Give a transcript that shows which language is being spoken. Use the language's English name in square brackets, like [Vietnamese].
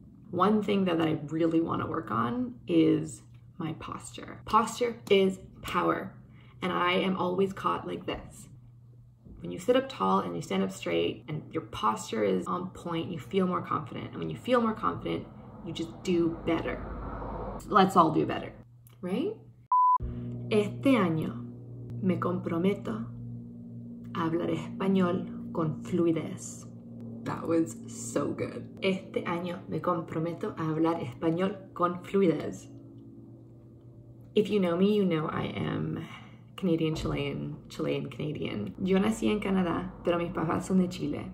[English] One thing though that I really want to work on is my posture. Posture is power. And I am always caught like this. When you sit up tall and you stand up straight and your posture is on point, you feel more confident. And when you feel more confident, you just do better. Let's all do better, right? [Spanish] Este año me comprometo a hablar español con fluidez. [English] That was so good. [Spanish] Este año me comprometo a hablar español con fluidez. [English] If you know me, you know I am Canadian, Chilean, Chilean, Canadian. [Spanish] Yo nací en Canadá, pero mis papás son de Chile.